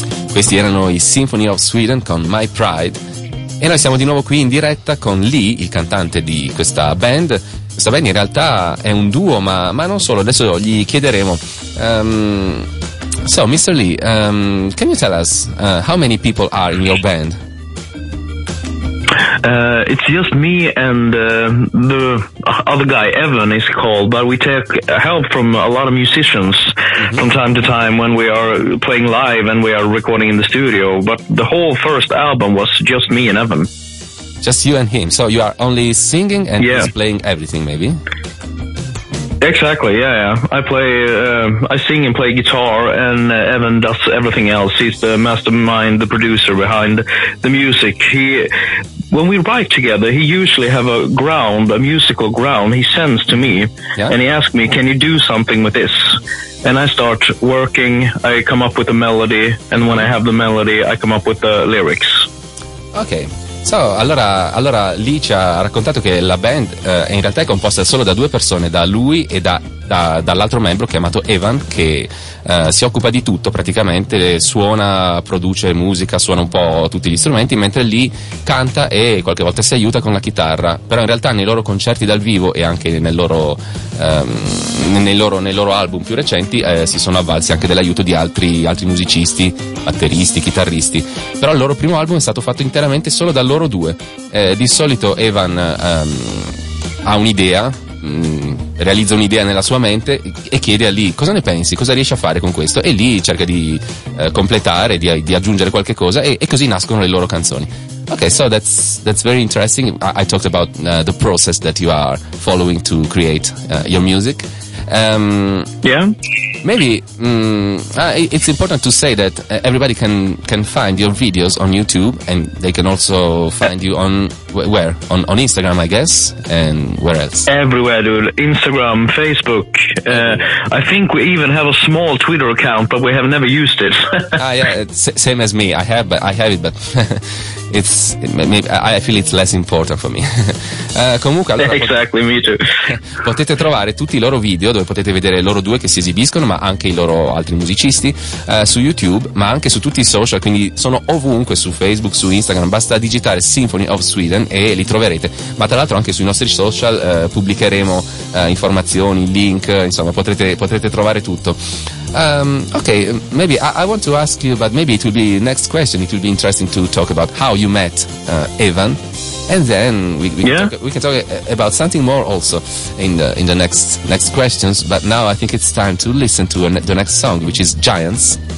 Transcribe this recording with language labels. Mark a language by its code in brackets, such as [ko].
[it] Questi erano i Symphony of Sweden con My Pride. E noi siamo di nuovo qui in diretta con Lee, il cantante di questa band, sta bene, in realtà è un duo, ma non solo, adesso gli chiederemo. [en] So, Mr. Lee, can you tell us how many people are in your band? It's just me and the other guy, Evan, is called, but we take help from a lot of musicians from time to time when we are playing live and we are recording in the studio, but the whole first album was just me and Evan. Just you and him, so you are only singing and he's playing everything, maybe? Exactly, yeah, yeah. I play, I sing and play guitar, and Evan does everything else. He's the mastermind, the producer behind the music. He, when we write together, he usually have a ground, a musical ground he sends to me, and he asks me, can you do something with this? And I start working, I come up with a melody, and when I have the melody, I come up with the lyrics. Okay. [it] So, allora Lee ci ha raccontato che la band è in realtà è composta solo da due persone, da lui e dall'altro membro chiamato Evan, che si occupa di tutto praticamente, suona, produce musica, suona un po' tutti gli strumenti, mentre Lee canta e qualche volta si aiuta con la chitarra, però in realtà nei loro concerti dal vivo e anche nei loro album più recenti si sono avvalsi anche dell'aiuto di altri musicisti, batteristi, chitarristi, però il loro primo album è stato fatto interamente solo da loro due. Di solito Evan ha un'idea, realizza un'idea nella sua mente e chiede a Lee cosa ne pensi, cosa riesci a fare con questo, e Lee cerca di completare, di aggiungere qualche cosa, e così nascono le loro canzoni. [en] Okay, so that's very interesting. I talked about the process that you are following to create your music. It's important to say that everybody can find your videos on YouTube, and they can also find you on where? On Instagram, I guess, and where else? Everywhere, dude. Instagram, Facebook. I think we even have a small Twitter account, but we have never used it. Same as me. I have it, but I feel it's less important for me. [it] Comunque, allora, [en] exactly, me too. [it] Potete trovare tutti i loro video, dove potete vedere loro due che si esibiscono, ma anche i loro altri musicisti, su YouTube, ma anche su tutti i social, quindi sono ovunque, su Facebook, su Instagram, basta digitare Symphony of Sweden e li troverete. Ma tra l'altro anche sui nostri social pubblicheremo informazioni, link, insomma potrete trovare tutto. [en] Okay, maybe I want to ask you, but maybe it will be next question. It will be interesting to talk about how you met Evan, and then we can talk about something more also in the next questions. But now I think it's time to listen to the next song, which is Giants.